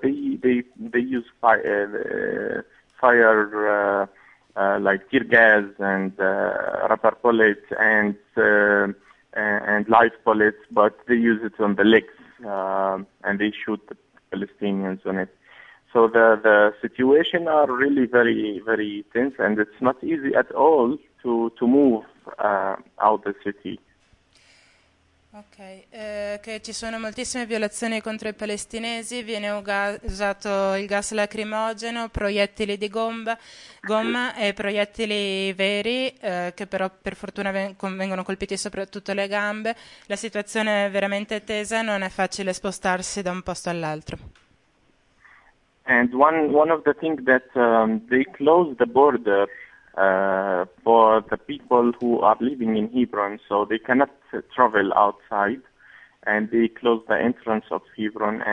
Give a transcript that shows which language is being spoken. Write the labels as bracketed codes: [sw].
[en] They use fire like tear gas and rubber bullets and live bullets, but they use it on the legs and they shoot the Palestinians on it. So the situation are really very, very tense, and it's not easy at all to move out the city. [it] Ok, che ci sono moltissime violazioni contro i palestinesi, viene usato il gas lacrimogeno, proiettili di gomma e proiettili veri, che però per fortuna vengono colpiti soprattutto le gambe. La situazione è veramente tesa, non è facile spostarsi da un posto all'altro. [en] And one of the things that they closed the border for the people who are living in Hebron, so they cannot travel outside, and they closed the entrance of Hebron.